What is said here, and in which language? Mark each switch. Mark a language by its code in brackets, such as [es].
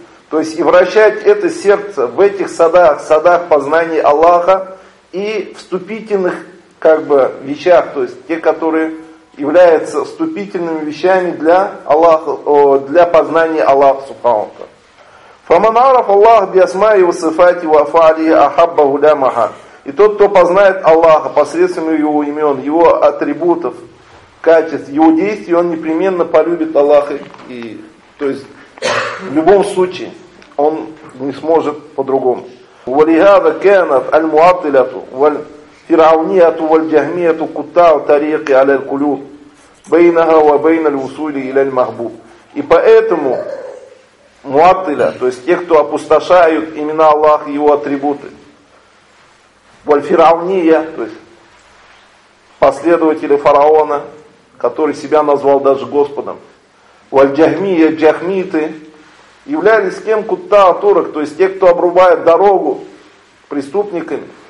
[ru] То есть и вращать это сердце в этих садах, садах познания Аллаха и вступительных как бы вещах, то есть те, которые являются вступительными вещами для Аллаха, для познания Аллаха Субханаху. [ar] فمن عرف الله بأسماء وصفاته وأفعاله أحبه لا محال. [ru] И тот, кто познает Аллаха посредством его имен, его атрибутов, качеств, его действий, он непременно полюбит Аллаха. И, то есть в любом случае он не сможет по-другому. [ar] ولهذا كانت المعطلة والفرعونية والجهمية قطاع طريق على القلوب بينها وبين الوصول إلى المحبوب. [ru] И поэтому муаттиля, то есть те, кто опустошают имена Аллаха и его атрибуты. Вальфирауния, то есть последователи фараона, который себя назвал даже Господом. Вальджахмия, джахмиты, являлись кем [ar] кутта турок, [ru] то есть те, кто обрубает дорогу преступниками.